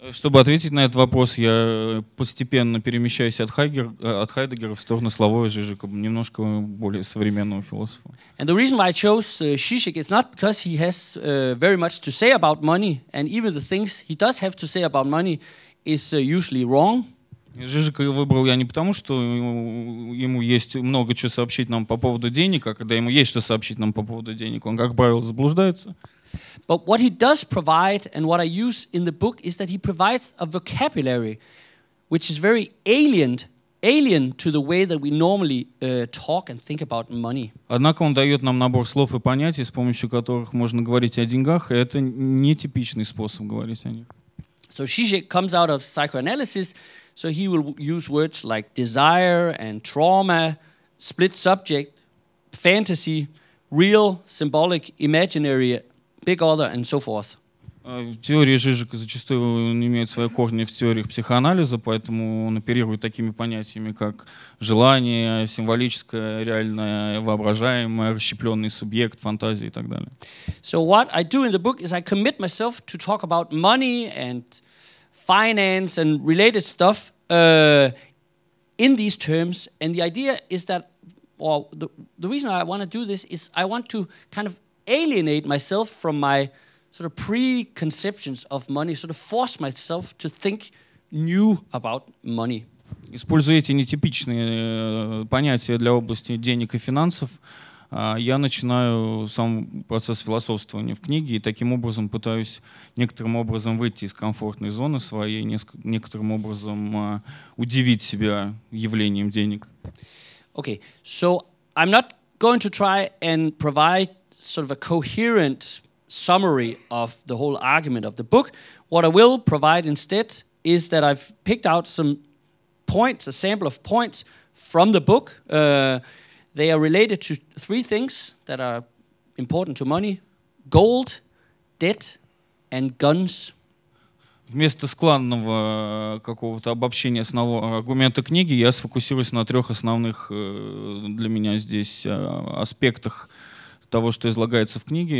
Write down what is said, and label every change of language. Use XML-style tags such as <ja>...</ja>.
<ru>Чтобы ответить на этот вопрос, я постепенно перемещаюсь от Хайдеггера в сторону Славоя Жижека, немножко более современного философа.</ru> <en>And the reason why I chose Žižek is not because he has very much to say about money, and even the things he does have to say about money is usually wrong.</en> <ru>Жижека выбрал я не потому, что ему есть много чего сообщить нам по поводу денег, а когда ему есть что сообщить нам по поводу денег, он, как правило, заблуждается.</ru> <en>But what he does provide, and what I use in the book, is that he provides a vocabulary which is very alien to the way that we normally talk and think about money.</en> <ru>Однако он дает нам набор слов и понятий, с помощью которых можно говорить о деньгах, и это нетипичный способ говорить о них.</ru> <en>So Žižek comes out of psychoanalysis, so he will use words like desire and trauma, split subject, fantasy, real, symbolic, imaginary, big other, and so forth.</en> <ru>Теория Жижека зачастую имеет свои корни в теориях психоанализа, поэтому он оперирует такими понятиями, как желание, символическое, реальное, воображаемое, расщепленный субъект, фантазии и так далее.</ru> <en>So what I do in the book is I commit myself to talk about money and finance and related stuff in these terms. And the idea is that, well, the reason I want to do this is I want to kind of alienate myself from my sort of preconceptions of money, sort of force myself to think new about money.</en> <ru>Используя эти нетипичные понятия для области денег и финансов, я начинаю сам процесс философствования в книге и таким образом пытаюсь некоторым образом выйти из комфортной зоны своей, некоторым образом удивить себя явлением денег.</ru> <en>Okay, so I'm not going to try and provide sort of a coherent summary of the whole argument of the book. What I will provide instead is that I've picked out some points, a sample of points from the book. They are related to three things that are important to money: gold, debt, and guns.</en> <ru>Вместо складного какого-то обобщения основного аргумента книги я сфокусируюсь на трех основных для меня здесь аспектах того, что излагается в книге.</ru>